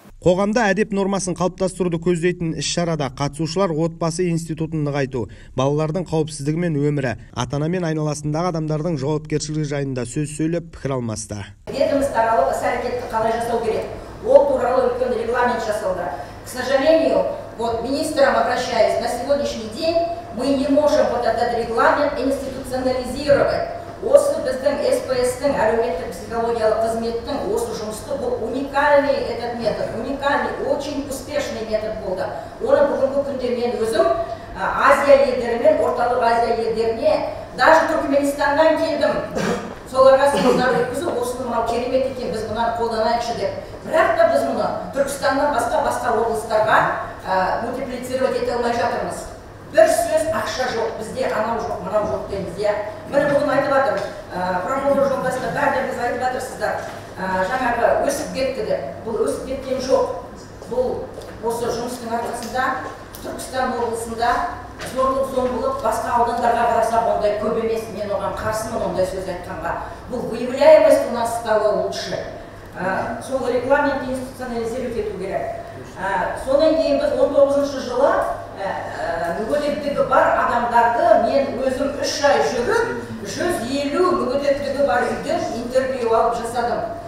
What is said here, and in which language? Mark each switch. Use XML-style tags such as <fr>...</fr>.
<kk>Қоғамда әдеп нормасын қалыптастыруды көздейтін іс-шарада қатысушылар отбасы институтын нығайту, балалардың қауіпсіздігі мен өмірі, ата-ана мен айналасындағы адамдардың жауапкершілігі жайында сөз сөйлеп, пікір алмасты. Ведомствоаралық іс-әрекетті қалай жасау керек? Ол туралы үлкен регламент жасалды.</kk> <ru>К сожалению, вот министрам обращаюсь, на сегодняшний день мы не можем вот этот регламент институционализировать.</ru> <kk>Осы біздің СПС-тің әлеуметтік психологиялық қызметтің осы жұмысты, бұл</kk> <ru>уникальный этот метод, уникальный, очень успешный метод</ru> <kk>болды. Оны бүгінгі күнде мен өзім Азия елдерімен, Орталық Азия елдеріне, даже Түркменстаннан келдім, соларға семинар өткізіп, осыны мынау керемет екен, біз бұны қолданайықшы деп. Бірақ та біз мұны Түркістаннан басқа облыстарға мультиплицировать ете алмай жатырмыз. Бір сөз ақша жоқ, бізде анау жоқ, мынау жоқ дейміз, иә. Бір бүгін айтып жатыр, промоутер жолдастар, бәріңіз айтып жатырсыздар, жаңағы өсіп кетті деп. Бұл өсіп кеткен жоқ. Бұл осы жұмыстың арқасында Түркістан облысында зорлық-зомбылық басқа аудандарға қараса ондай көп емес, мен оған қарсымын ондай сөз айтқанға.</kk> <ru>Бұл выявляемость у нас стала лучше.</ru> <kk>Сол регламент институционализировать ету керек. Сонан кейін біз 19 жылы мүгедектігі бар адамдарды мен өзім 3 ай жүріп 150 мүгедектігі бар үйден интервью алып жасадым.</kk>